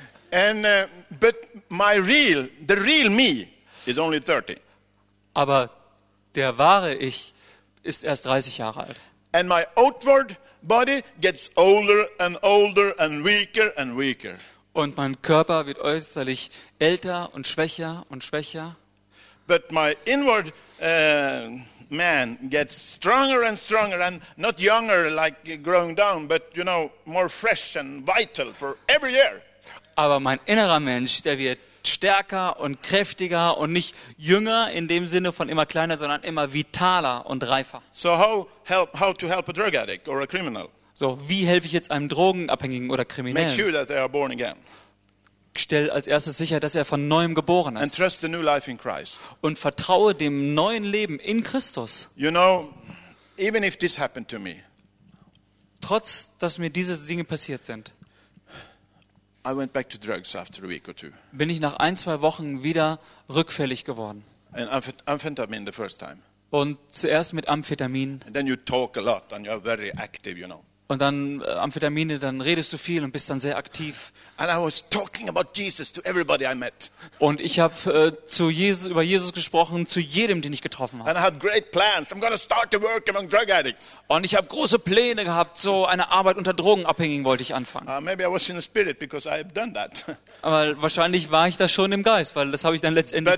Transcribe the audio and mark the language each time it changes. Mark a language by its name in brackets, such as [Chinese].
[English] And but my real, the real me is only 30. [German] Aber der wahre Ich ist erst 30 Jahre alt. [English] And my outward body gets older and older and weaker and weaker. [German] Und mein Körper wird äußerlich älter und schwächer und schwächer. [English] But my inward man gets stronger and stronger and not younger like growing down, but you know, more fresh and vital for every year. [German] Aber mein innerer Mensch, der wird stärker und kräftiger und nicht jünger in dem Sinne von immer kleiner, sondern immer vitaler und reifer. [English] So how to help a drug addict or a criminal? [German] So, wie helfe ich jetzt einem Drogenabhängigen oder Kriminellen? [English] Make sure that they are born again. [German] Stell als erstes sicher, dass er von neuem geboren ist. [English] And trust the new life in Christ. [German] Und vertraue dem neuen Leben in Christus. [English] You know, even if this happened to me, [German] trotz dass mir diese Dinge passiert sind, [English] I went back to drugs after a week or two. [German] Bin ich nach ein, zwei Wochen wieder rückfällig geworden. [English] And amphetamine the first time. [German] Und zuerst mit Amphetamin. [English] And then you talk a lot and you're very active, you know. [German] Und dann Amphetamine, dann redest du viel und bist dann sehr aktiv. [English] And I was talking about Jesus to everybody I met. [German] Und ich habe über Jesus gesprochen zu jedem, den ich getroffen habe. [English] And I had great plans. I'm going to start to work among drug addicts. [German] Und ich habe große Pläne gehabt, so eine Arbeit unter Drogenabhängigen wollte ich anfangen. [English] Maybe I was in the spirit because I have done that. [German] Aber wahrscheinlich war ich das schon im Geist, weil das habe ich dann letztendlich